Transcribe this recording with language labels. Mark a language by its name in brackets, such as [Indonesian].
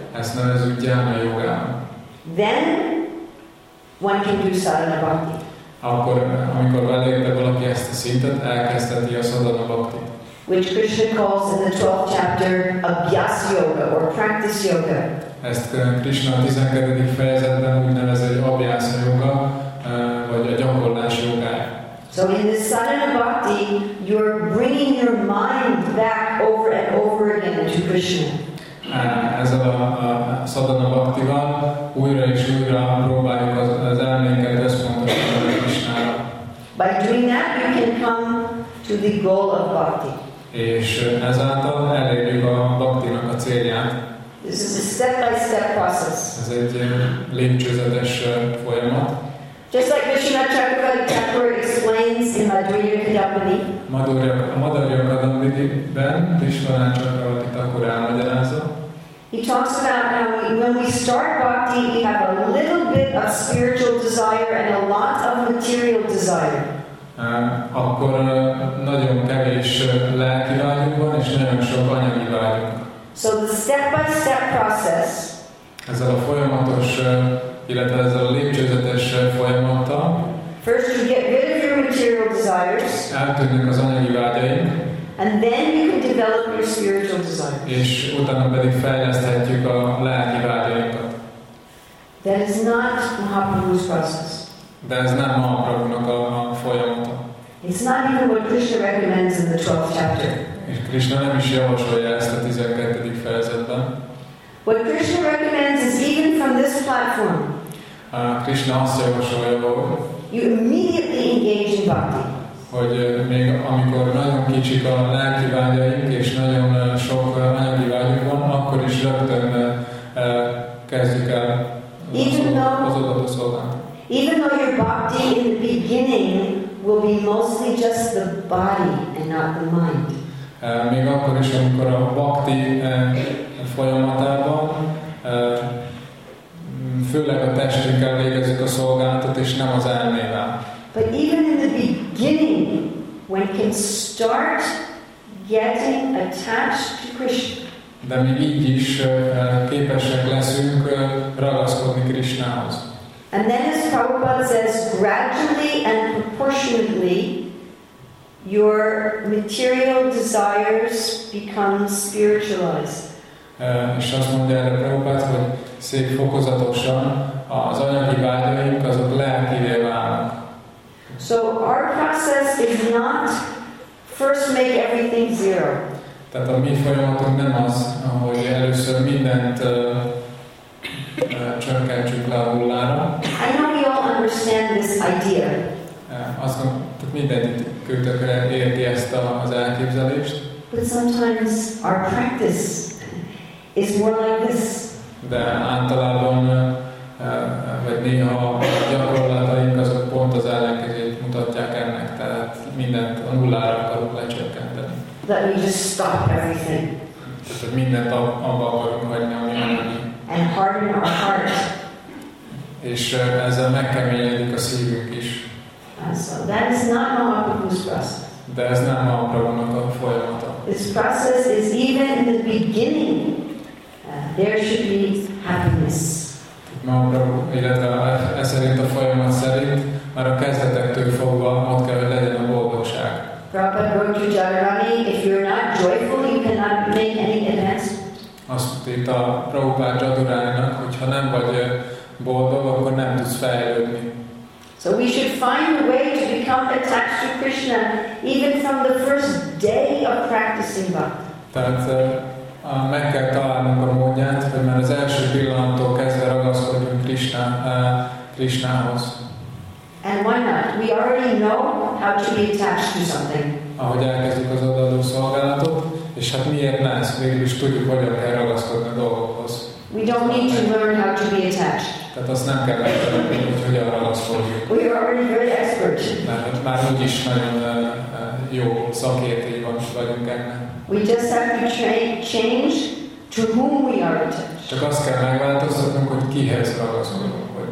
[Hungarian] Ezt nevezzük Jnana Yogának. [English] Then one can do sadhana bhakti. [Hungarian] Akkor, amikor elérte valaki ezt a szintet, elkezdheti a sadhana bhakti. [English] Which Krishna calls in the 12th chapter Abhyas Yoga or Practice Yoga. [Hungarian] Ezt Krishna a 12. fejezetben úgy nevez, hogy Abhyas Yoga, vagy a gyakorlás jogája. [English] So in the sadhana bhakti, you're bringing your mind back over and over again to Krishna. [Hungarian] Ezzel a sadhana bhaktival újra és újra próbáljuk az elménket összpontosítani Krishnára. [English] By doing that, you can come to the goal of bhakti. [Hungarian] És ezáltal elérjük a bhaktinak a célját. [English] This is a step-by-step process. [Hungarian] Ez egy lépcsőzetes folyamat. [English] Just like Krishna Chakravarti explains in Madhurya [Hungarian] Kadambini. Madhurya Kadambini-ben Krishna Chakravarti Thakur elmagyarázza. [English] He talks about how when we start bhakti, we have a little bit of spiritual desire and a lot of material desire. [Hungarian] Akkor nagyon kevés lelki vágyunk van, és nagyon sok anyagi vágyunk. [English] So the step-by-step process. [Hungarian] Ezzel a folyamatos, illetve ezzel a lépcsőzetes folyamattal. [English] First you get rid of your material desires. [Hungarian] Eltűnnek az anyagi vágyaink. [English] And then you can develop your spiritual desires. [Hungarian] És utána pedig fejleszthetjük a lelki vágyainkat. [English] That is not Mahaprabhu's process. [Hungarian] De ez nem Mahaprabhu-nak a folyamata. [English] It's not even what Krishna recommends in the 12th chapter. [Hungarian] És Krishna nem is javasolja ezt a 12. fejezetben. [English] What Krishna recommends is even from this platform. [Hungarian] Krishna azt javasolja, hogy [English] you immediately engage in bhakti. [Hungarian] Hogy még amikor nagyon kicsik a lelki vágyaink, és nagyon sok anyagi vágyunk van, akkor is rögtön kezdjük el az adott szolgálat. [English] Even though your bhakti in the beginning will be mostly just the body and not the mind. [Hungarian] Még akkor is, amikor a bhakti folyamatában főleg a testünkkel végezzük a szolgálatot, és nem az elmével. [English] But even in the beginning, when it can start getting attached to Krishna. [Hungarian] De még így is képesek leszünk ragaszkodni Krishnához. [English] And then as Prabhupada says, gradually and proportionately, your material desires become spiritualized. [Hungarian] És azt mondja erre Prabhupada, hogy szép fokozatosan az anyagi vágyaink azok lelkivé válnak. [English] So our process is not first make everything zero. [Hungarian] Tehát a mi folyamatunk nem az, hogy először mindent csökkentsük le a nullára. [English] I know we all understand this idea. [Hungarian] Azt mondjuk, mindenkitől érti ezt az elképzelést. [English] But sometimes our practice is more like this. [Hungarian] De általában vagy néha a gyakorlataink azok pont az ellenkezőjét mutatják ennek, tehát mindent a nullára akarunk lecsökkenteni. [English] Let me just stop everything. [Hungarian] Tehát mindent abba akarunk hagyni, ami annyi. [English] And harden our heart. [Hungarian] És ezzel megkeményedik a szívünk is. [English] So that is not Mahaprabhu's process. [Hungarian] De ez nem Mahaprabhu-nak a folyamata. [English] This process is even in the beginning. There should be happiness. [Hungarian] Mahaprabhu, illetve ez szerint a folyamat szerint, már a kezdetektől fogva ott kell, hogy legyen a boldogság. [English] Prabhupada wrote to Jadarani, if you're not joyful, you cannot make any advancement. [Hungarian] Azt írta Prabhupada Jadarani-nak, hogyha nem vagy boldog, akkor nem tudsz fejlődni. [English] So we should find a way to become attached to Krishna, even from the first day of practicing bhakti. [Hungarian] Meg kell találnunk a módját, hogy már az első pillanattól kezdve ragaszkodjunk Krishnához. [English] And why not? We already know how to be attached to something. [Hungarian] Ahogy elkezdjük az adó szolgálatot, és hát miért ne ezt végül is tudjuk, hogyan kell ragaszkodni a dolgokhoz. [English] We don't need to learn how to be attached. [Hungarian] Tehát azt nem kell megtanulni, hogy hogyan ragaszkodjunk. [English] We are already very expert. [Hungarian] Mert már úgyis nagyon jó szakértői vagyunk ennek. [English] We just have to change to whom we are attached. [Hungarian] Csak azt kell megváltoztatnunk, hogy kihez ragaszkodunk.